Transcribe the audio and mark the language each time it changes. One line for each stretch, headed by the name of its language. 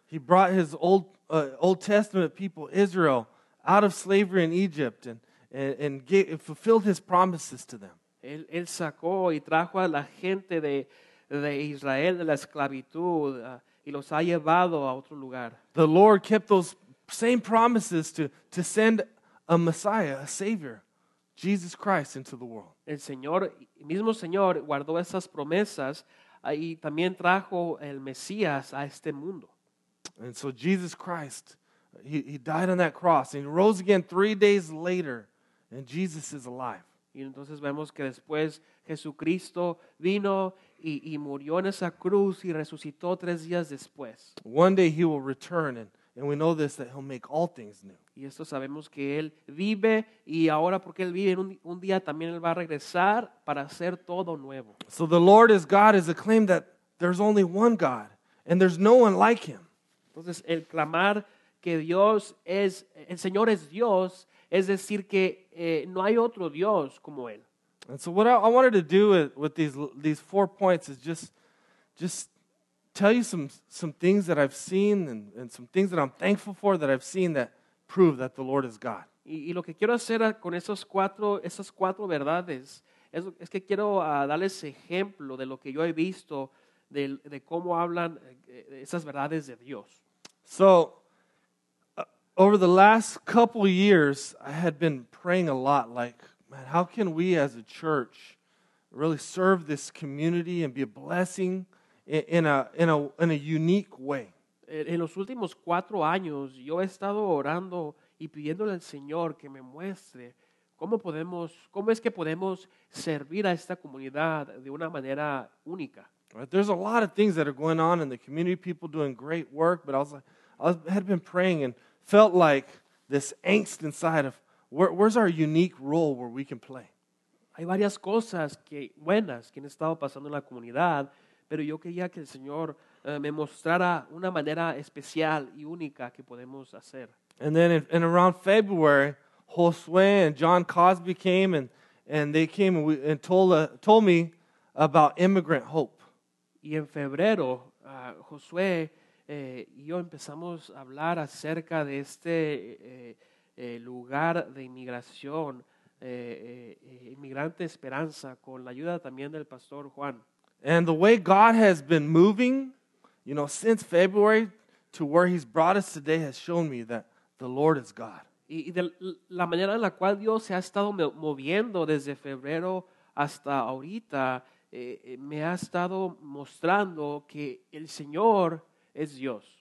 English: He brought his Old Testament people, Israel, out of slavery in Egypt and fulfilled his promises to them.
Spanish: Él sacó y trajo a la gente de Israel de la esclavitud y los ha llevado a otro lugar.
English: The Lord kept those same promises to send a Messiah, a Savior, Jesus Christ, into the world.
Spanish: El Señor, mismo Señor, guardó esas promesas y también trajo el Mesías a este mundo.
English: And so Jesus Christ, He died on that cross and he rose again 3 days later, and Jesus is alive.
Spanish: Y entonces vemos que después Jesucristo vino y murió en esa cruz y resucitó 3 días después.
English: One day he will return, and we know this, that he'll make all things new.
Spanish: Y esto sabemos que él vive, y ahora porque él vive, un día también él va a regresar para hacer todo nuevo.
English: So the Lord is God is a claim that there's only one God and there's no one like him.
Spanish: Entonces el clamar que Dios es, el Señor es Dios, es decir que no hay otro Dios como Él.
English: And so what I wanted to do with these four points is just tell you some things that I've seen and some things that I'm thankful for that I've seen that prove that the Lord is God.
Spanish: Y lo que quiero hacer con esas cuatro verdades es que quiero darles ejemplo de lo que yo he visto de cómo hablan esas verdades de Dios.
English: So, over the last couple of years, I had been praying a lot, like, man, how can we as a church really serve this community and be a blessing in a unique way?
Spanish: En los últimos 4 años, yo he estado orando y pidiéndole al Señor que me muestre cómo es que podemos servir a esta comunidad de una manera única.
English: Right, there's a lot of things that are going on in the community, people doing great work, but I had been praying and felt like this angst inside of where's our unique role where we can play.
Spanish: Hay varias cosas buenas que han estado pasando en la comunidad, pero yo quería que el Señor me mostrara una manera especial y única que podemos hacer.
English: And then in around February, Josue and John Cosby came and And they came and told me about Immigrant Hope.
Spanish: Y en febrero, Josué y yo empezamos a hablar acerca de este lugar de inmigración, Inmigrante Esperanza, con la ayuda también del Pastor Juan.
English: And the way God has been moving, you know, since February to where he's brought us today has shown me that the Lord is God.
Spanish: Y de la manera en la cual Dios se ha estado moviendo desde febrero hasta ahorita, me ha estado mostrando que el Señor es Dios.